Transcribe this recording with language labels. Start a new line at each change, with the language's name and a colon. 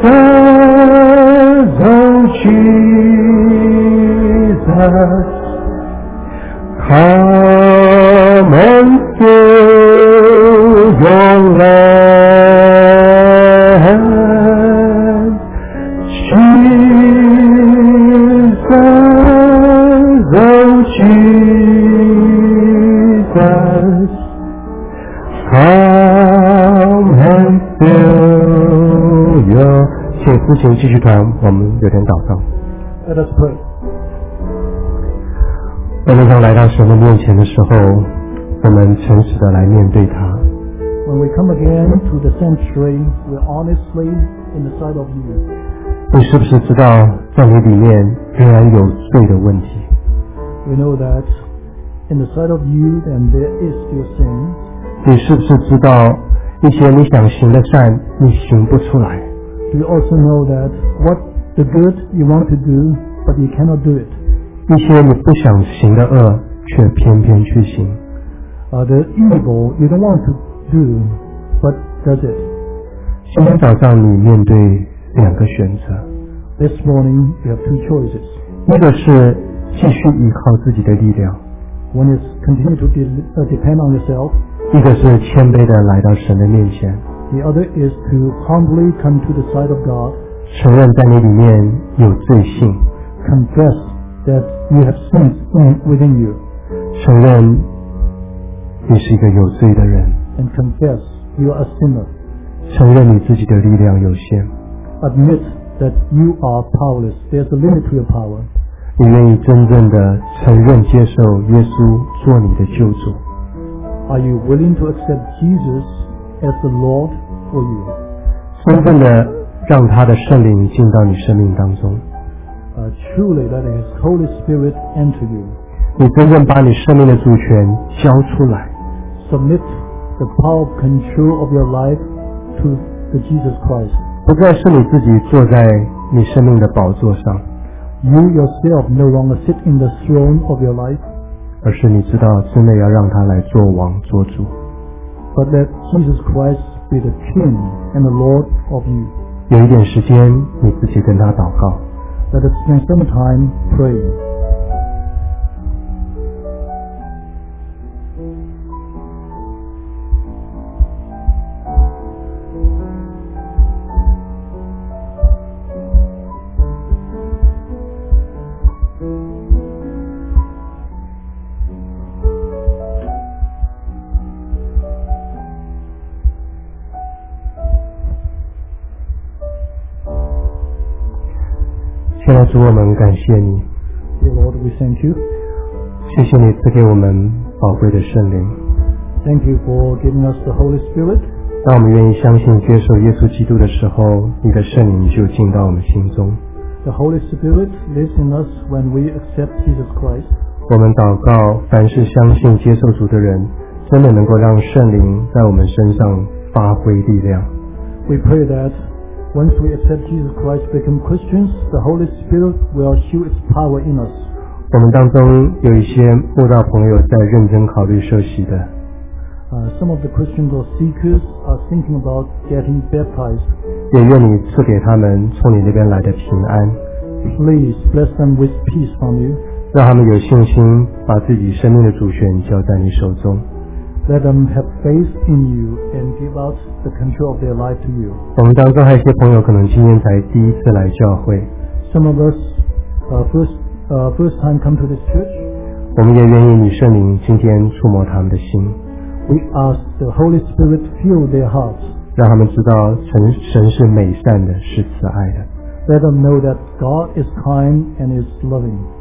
English: Jesus, oh Jesus, come and fill your land. Jesus, oh Jesus, come and fill your land.
Chinese: 请父亲继续团，我们有点祷告。
English: Let us pray.
Chinese: 我们当来到神的面前的时候，我们诚实的来面对他。
English: When we come again to the sanctuary, we're honestly in the sight of you.
Chinese: 你是不是知道在你里面仍然有罪的问题？
English: We know that in the sight of you, then there is still sin.
Chinese: 你是不是知道一些你想行的善，你行不出来？
English: Do you also know that what the good you want to do, but you cannot do it?
Chinese: 一些你不想行的恶，却偏偏去行。
English: The evil you don't want to do, but does it?
Chinese: 今天早上你面对两个选择。
English: This morning you have two choices.
Chinese: 一个是继续依靠自己的力量。
English: One is continue to depend on yourself.
Chinese: 一个是谦卑地来到神的面前。
English: The other is to humbly come to the side of God.
Chinese: 承认在你里面有罪性。
English: Confess that you have sins within you.
Chinese: 承认你是一个有罪的人。
English: And confess you are a sinner.
Chinese: 承认你自己的力量有限。
English: Admit that you are powerless. There's a limit to your power.
Chinese: 你愿意真正的承认接受耶稣做你的救主？
English: Are you willing to accept Jesus as the Lord for you?
Chinese: 真正的让他的圣灵进到你生命当中。
English: Truly letting His Holy Spirit enter you.
Chinese: 你真正把你生命的主权交出来。
English: Submit the power of control of your life to the Jesus Christ.
Chinese: 不再是你自己坐在你生命的宝座上。
English: You yourself no longer sit in the throne of your life.
Chinese: 而是你知道真的要让他来做王做主。
English: But let Jesus Christ be the King and the Lord of you.
Chinese: 有一点时间你自己跟他祷告。
English: Let us spend some time praying. Dear Lord, we thank you.
Chinese: 谢谢你赐给我们宝贵的圣灵。
English: Thank you for giving us the Holy Spirit.
Chinese: 当我们愿意相信接受耶稣基督的时候，你的圣灵就进到我们心中。
English: The Holy Spirit lives in us when we accept Jesus Christ.
Chinese: 我们祷告，凡是相信接受主的人，真的能够让圣灵在我们身上发挥力量。
English: We pray that. Once we accept Jesus Christ, become Christians, the Holy Spirit will show its power in us.
Chinese: 我们当中有一些慕道朋友在认真考虑受洗的。
English: Some of the Christians or seekers are thinking about getting baptized.
Chinese: 也愿你赐给他们从你那边来的平安。
English: Please bless them with peace from you.
Chinese: 让他们有信心把自己生命的主权交在你手中。
English: Let them have faith in you and give out the control of their life to you.
Chinese: 我们当中还有一些朋友可能今天才第一次来教会。
English: Some of us first time come to this church.
Chinese: 我们也愿意你圣灵今天触摸他们的心。
English: We ask the Holy Spirit fill their hearts.
Chinese: 让他们知道神是美善的，是慈爱的。
English: Let them know that God is kind and is loving.